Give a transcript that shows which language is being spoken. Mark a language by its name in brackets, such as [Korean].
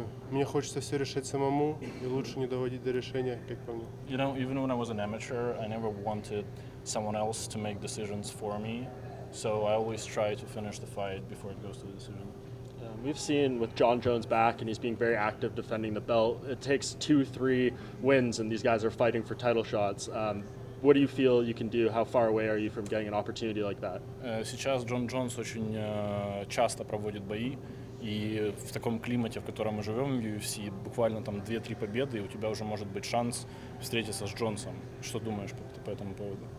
[Russian] Мне хочется все решать самому, и лучше не доводить до решения, как по мне. [English] You know, even when I was an amateur, I never wanted someone else to make decisions for me, so I always try to finish the fight before it goes to the decision. We've seen with John Jones back, and he's being very active defending the belt, it takes 2-3 wins, and these guys are fighting for title shots. What do you feel you can do? How far away are you from getting an opportunity like that? [Russian] Сейчас Джон Джонс очень часто проводит бои, и в таком климате, в котором мы живем в UFC, буквально там 2-3 победы, и у тебя уже может быть шанс встретиться с Джонсом. Что думаешь по этому поводу?